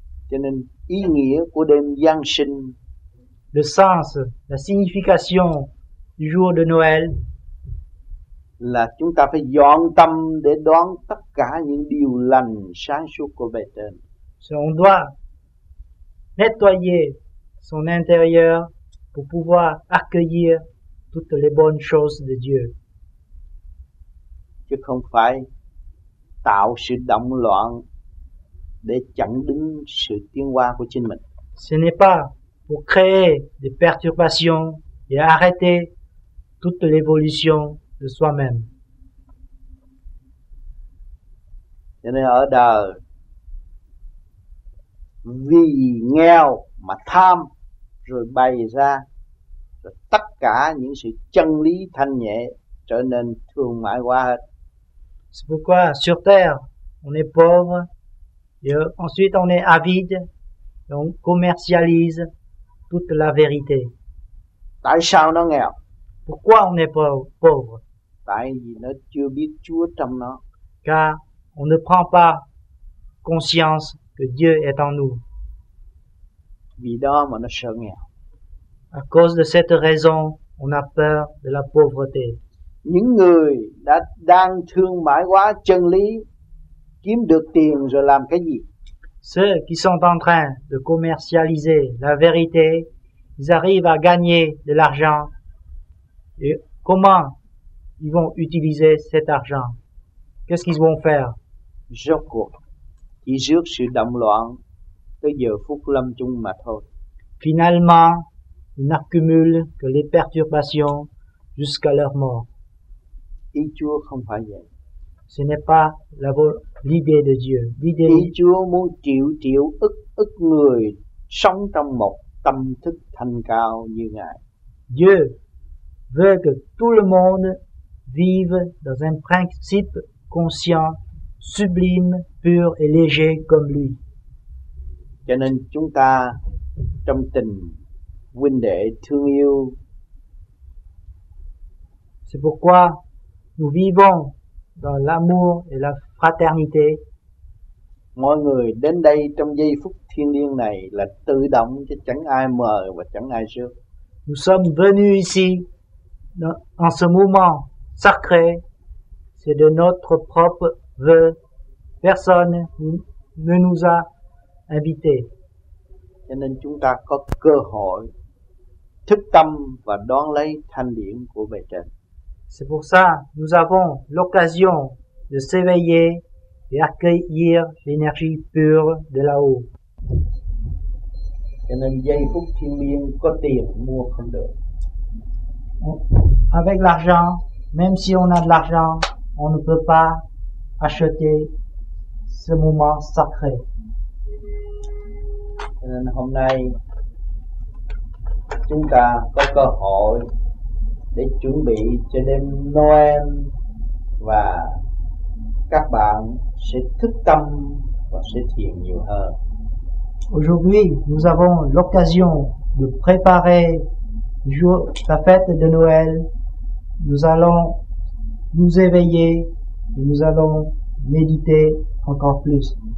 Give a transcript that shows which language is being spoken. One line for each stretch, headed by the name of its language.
Vietnamese: Cho nên ý nghĩa của đêm Giáng sinh,
French: le sens, la signification du jour de Noël,
Vietnamese: là chúng ta phải dọn tâm để đón tất cả những điều lành sáng suốt của bề trên.
French: So on doit nettoyer son intérieur pour pouvoir accueillir toutes les bonnes choses de Dieu.
Vietnamese: Chứ không phải tạo sự động loạn để chặn đứng sự tiến hóa của chính mình.
French: Ce n'est pas pour créer des perturbations et arrêter toute l'évolution de soi-même.
Vietnamese: Cho nên ở đời vì nghèo mà tham, rồi bày ra rồi tất cả những sự chân lý thanh nhẹ trở nên thương mại quá hết.
French: C'est pourquoi sur terre on est pauvre et ensuite on est avide et on commercialise toute la vérité.
Vietnamese: Tại sao nó nghèo?
French: Pourquoi on est pauvre?
Vietnamese: Tại vì nó chưa biết Chúa trong nó.
French: Car on ne prend pas conscience que Dieu est en nous.
Vietnamese: Vì đó mà nó sợ nghèo.
French: À cause de cette raison, on a peur de la pauvreté.
Vietnamese: Những người đã đang thương mãi quá chân lý, kiếm được tiền rồi làm cái gì?
French: Ceux qui sont en train de commercialiser la vérité, ils arrivent à gagner de l'argent. Et comment ils vont utiliser cet argent? Qu'est-ce qu'ils vont faire? Je crois qu'ils jouent sur la loi de Dieu Phúc Lâm Trung
Vietnamese: mà thôi.
French: Finalement, ils n'accumulent que les perturbations jusqu'à leur mort.
Vietnamese: Ý Chúa không phải vậy.
French: Ce n'est pas la l'idée de Dieu. L'idée
Vietnamese: Ý Chúa muốn triệu triệu ức ức người sống trong một tâm thức thanh cao như Ngài.
French: Dieu veut que tout le monde vive dans un principe conscient, sublime, pur et léger comme lui.
Vietnamese: Cho nên chúng ta trong tình huynh đệ thương yêu.
French: C'est pourquoi nous vivons dans l'amour et la fraternité.
Vietnamese: Mọi người đến đây trong giây phút thiêng liêng này là tự động chứ chẳng ai mời và chẳng ai rước.
French: Nous sommes venus ici en ce moment sacré, c'est de notre propre vœu. Personne ne nous a invités.
Vietnamese: Cho nên chúng ta có cơ hội thức tâm và đón lấy thanh điển của bề trên.
French: C'est pour ça que nous avons l'occasion de s'éveiller et accueillir l'énergie pure de là-haut.
Vietnamese: Cho nên giây phút thiên liêng có tiền mua không được.
French: Avec l'argent, même si on a de l'argent, on ne peut pas acheter ce moment sacré.
Vietnamese: Cho nên hôm nay chúng ta có cơ hội để chuẩn bị cho đêm Noel và các bạn sẽ thức tâm và sẽ thiền nhiều hơn.
French: Aujourd'hui, nous avons l'occasion de préparer la fête de Noël. Nous allons nous éveiller et nous allons méditer encore plus.